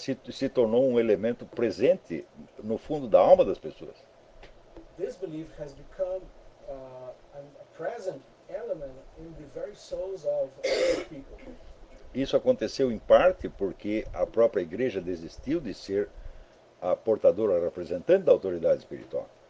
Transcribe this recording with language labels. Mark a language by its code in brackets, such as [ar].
[pt] se tornou um elemento presente no fundo da alma das pessoas. [en] This belief has become a present element in the very souls of people. [pt] Isso aconteceu em parte porque a própria igreja desistiu de ser a portadora representante da autoridade espiritual.